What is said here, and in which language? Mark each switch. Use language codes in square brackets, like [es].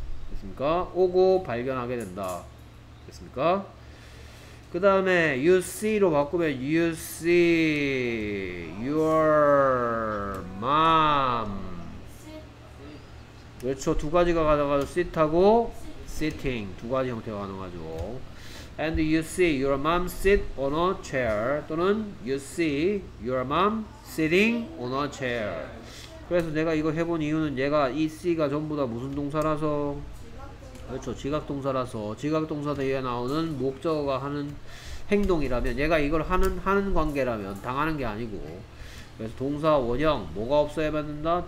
[ko] 됐습니까? 오고 발견하게 된다. 됐습니까? 그 다음에 [en] you see로 [ko] 바꾸면 [en] you see your mom. [ko] 그렇죠. 두 가지가 가져가죠. sit하고 sitting. 두 가지 형태가 가능하죠. [en] And you see your mom sit on a chair. [ko] 또는 [en] you see your mom sitting on a chair. [ko] 그래서 내가 이거 해본 이유는 얘가 이 see가 전부 다 무슨 동사라서 그렇죠. 지각동사라서 지각동사 뒤에 나오는 목적어가 하는 행동이라면 얘가 이걸 하는 관계라면 당하는 게 아니고 그래서 동사 원형 뭐가 없어야만 한다?